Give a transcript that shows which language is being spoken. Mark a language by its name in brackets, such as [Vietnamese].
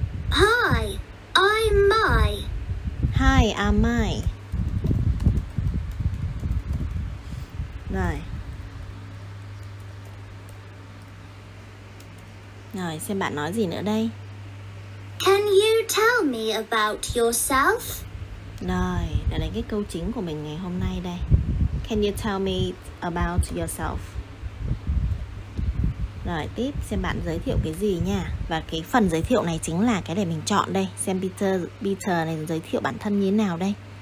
[English] Hi, I'm Mai. Hi, I'm Mai. [Vietnamese] Rồi. Rồi, xem bạn nói gì nữa đây. [English] Can you tell me about yourself? [Vietnamese] Rồi, đây là cái câu chính của mình ngày hôm nay đây. [English] Can you tell me about yourself? [Vietnamese] Rồi, tiếp xem bạn giới thiệu cái gì nha. Và cái phần giới thiệu này chính là cái để mình chọn đây. Xem Peter này giới thiệu bản thân như thế nào đây.